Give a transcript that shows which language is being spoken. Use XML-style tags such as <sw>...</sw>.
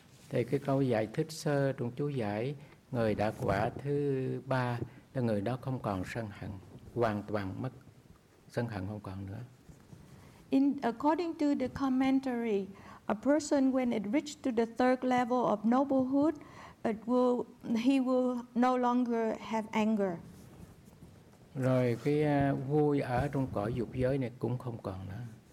<vi>Thì cái câu giải thích sơ trong chú giải người đã quả thứ ba là người đó không còn sân hận, hoàn toàn mất sân hận không còn nữa.</vi> <en>In according to the commentary, a person when it reached to the third level of noblehood, he will no longer have anger.</en> <vi>Rồi cái vui ở trong cõi dục giới này cũng không còn nữa.</vi>